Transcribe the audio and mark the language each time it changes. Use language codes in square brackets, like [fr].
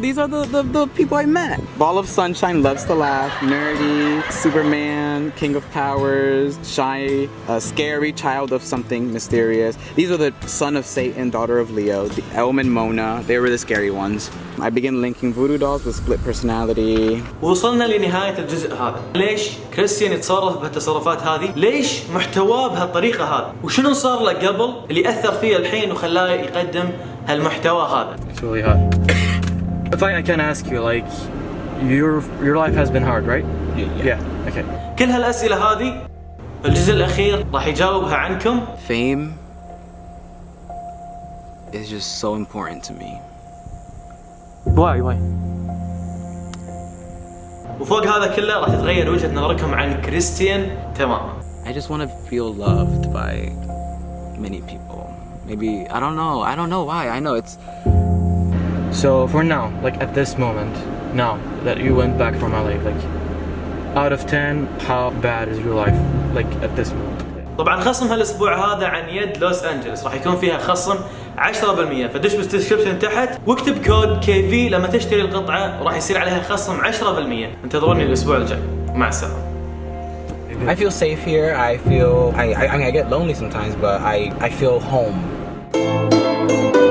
[en] These are the people I met. Ball of Sunshine, Loves to Laugh, Nerdy, Superman, King of Powers, Shy, Scary, Child of Something Mysterious. These are the Son of Satan, Daughter of Leo, the Elm and Mona. They were the scary ones. I begin linking voodoo dolls with split personality. [ar] وصلنا لنهاية الجزء هذا. ليش كريستيان يتصرف بهالتصرفات هذه؟ ليش محتواه بهالطريقة هذا؟ وشنو صار له قبل اللي أثر فيه الحين وخلاه يقدم هالمحتوى هذا؟ [en] It's really hard. But like, I can ask you, like, your life has been hard, right? Yeah. Okay. [ar] كل هالأسئلة هذه بالجزء الأخير راح يجاوبها عنكم. [en] Fame is just so important to me. Why? [ar] وفوق هذا كله راح تتغير وجهة نظركم عن كريستيان تماما. [en] I just want to feel loved by many people. Maybe, I don't know why. I know it's... So for now, like at this moment, now that you went back from LA, like out of 10, how bad is your life? Like at this moment. [ar] طبعا خصم هالاسبوع هذا عن يد لوس انجلوس راح يكون فيها خصم 10%. فدش بالدسكربشن تحت واكتب كود KV لما تشتري القطعة وراح يصير عليها خصم 10%. انتظروني الأسبوع الجاي. مع السلامة. [en] I feel safe here. I feel I get lonely sometimes, but I feel home.